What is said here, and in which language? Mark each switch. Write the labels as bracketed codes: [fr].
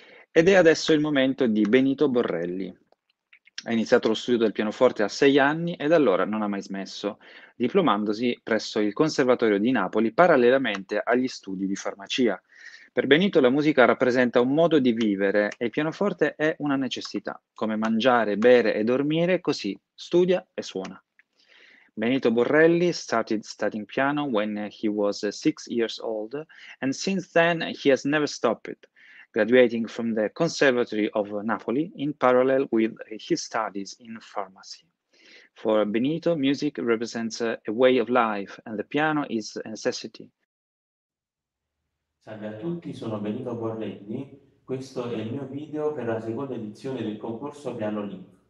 [it] Ed è adesso il momento di Benito Borrelli. Ha iniziato lo studio del pianoforte a 6 anni e da allora non ha mai smesso, diplomandosi presso il Conservatorio di Napoli parallelamente agli studi di farmacia. Per Benito la musica rappresenta un modo di vivere e il pianoforte è una necessità, come mangiare, bere e dormire, così studia e suona. [en] Benito Borrelli started studying piano when he was 6 years old, and since then he has never stopped it. Graduating from the Conservatory of Napoli in parallel with his studies in pharmacy. For Benito, music represents a way of life and the piano is a necessity. [it] Salve a tutti, sono Benito Borrelli. Questo è il mio video per la seconda edizione del concorso Piano Link.